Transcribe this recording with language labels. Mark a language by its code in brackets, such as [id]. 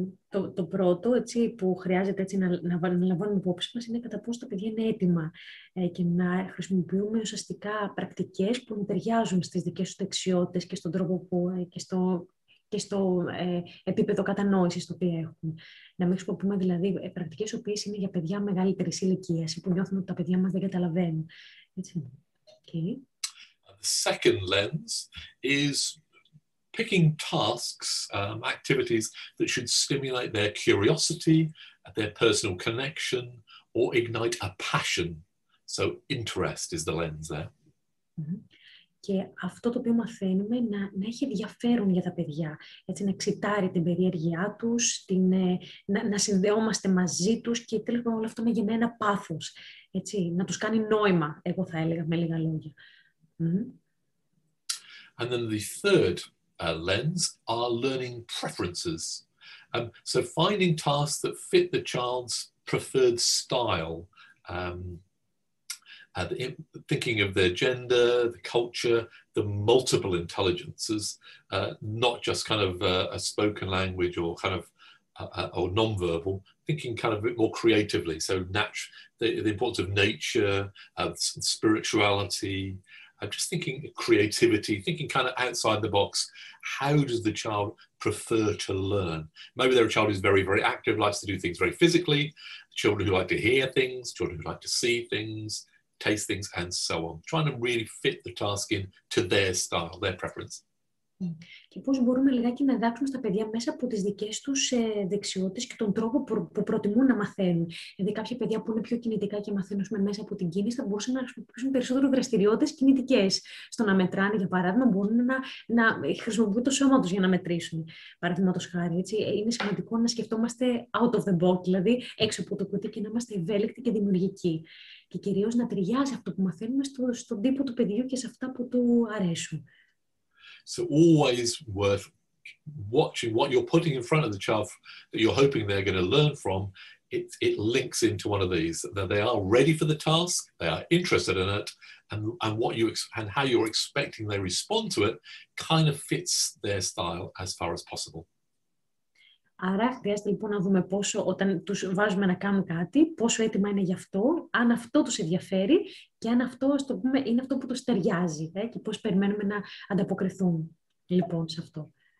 [el] Το πρώτο έτσι, που χρειάζεται έτσι, να λαμβάνουμε υπόψη μας είναι κατά πόσο τα παιδιά είναι έτοιμα και να χρησιμοποιούμε ουσιαστικά πρακτικές που ταιριάζουν στις δικές τους δεξιότητες και στον τρόπο που, και στο επίπεδο κατανόησης το οποίο έχουν. Να μην χρησιμοποιούμε δηλαδή πρακτικές οι οποίες είναι για παιδιά μεγαλύτερης ηλικίας ή που νιώθουν ότι τα παιδιά μας δεν καταλαβαίνουν. Έτσι. Okay. [en] The second lens is picking tasks, activities that should stimulate their curiosity, their personal connection, or ignite a passion. So interest is the lens there. [el] Και αυτό το οποίο μαθαίνουμε να έχει ενδιαφέρον για τα παιδιά. Έτσι να εξητάρει την περιέργειά τους, να συνδεόμαστε μαζί τους και τέλος πάντων όλο αυτό να γεννά ένα πάθος. Έτσι, να τους κάνει νόημα, εγώ θα έλεγα, με λίγα λόγια. [en] And then the third lens are learning preferences. So finding tasks that fit the child's preferred style, thinking of their gender, the culture, the multiple intelligences, not just kind of a spoken language or kind of or non-verbal, thinking kind of a bit more creatively. So the importance of nature, spirituality, just thinking creativity, thinking kind of outside the box. How does the child prefer to learn? Maybe their child is very, very active, likes to do things very physically. Children who like to hear things, children who like to see things, taste things, and so on. Trying to really fit the task in to their style, their preference. [el] Και πώς μπορούμε λιγάκι να διδάξουμε στα παιδιά μέσα από τις δικές τους δεξιότητες και τον τρόπο που προτιμούν να μαθαίνουν. Δηλαδή κάποια παιδιά που είναι πιο κινητικά και μαθαίνουν μέσα από την κίνηση, θα μπορούσαν να χρησιμοποιήσουν περισσότερο δραστηριότητες κινητικές. Στο να μετράνε, για παράδειγμα, μπορούν να χρησιμοποιούν το σώμα τους για να μετρήσουν. Παραδείγματος χάρη, έτσι, είναι σημαντικό να σκεφτόμαστε [en] out of the box, [el] δηλαδή έξω από το κουτί, και να είμαστε ευέλικτοι και δημιουργικοί. Και κυρίως να ταιριάζει αυτό που μαθαίνουμε στον τύπο του παιδιού και σε αυτά που του αρέσουν. [en] So always worth watching what you're putting in front of the child that you're hoping they're going to learn from. It links into one of these, that they are ready for the task, they are interested in it, and what you and how you're expecting they respond to it kind of fits their style as far as possible. [el] Άρα χρειάζεται λοιπόν να δούμε πόσο, όταν τους βάζουμε να κάνουν κάτι, πόσο έτοιμα είναι γι' αυτό, αν αυτό τους ενδιαφέρει και αν αυτό, ας το πούμε, είναι αυτό που τους ταιριάζει και πώς περιμένουμε να ανταποκριθούν λοιπόν σε αυτό.